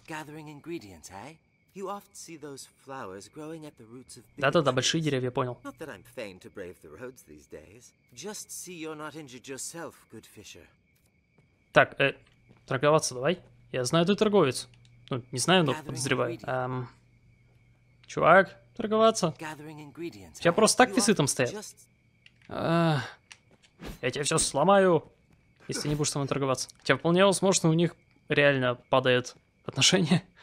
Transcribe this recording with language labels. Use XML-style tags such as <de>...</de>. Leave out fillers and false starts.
<ru>Да-да-да, большие деревья, понял.</ru> <en>Not that I'm fain to brave the roads these days. Just see you're not injured yourself, good fisher.</en> <ru>Так, торговаться давай. Я знаю, ты торговец. Ну, не знаю, но подозреваю. Чувак, торговаться. Тебя просто так весы там стоят. Я тебя все сломаю, если не будешь со мной торговаться. Хотя вполне возможно, у них реально падает отношения.</ru>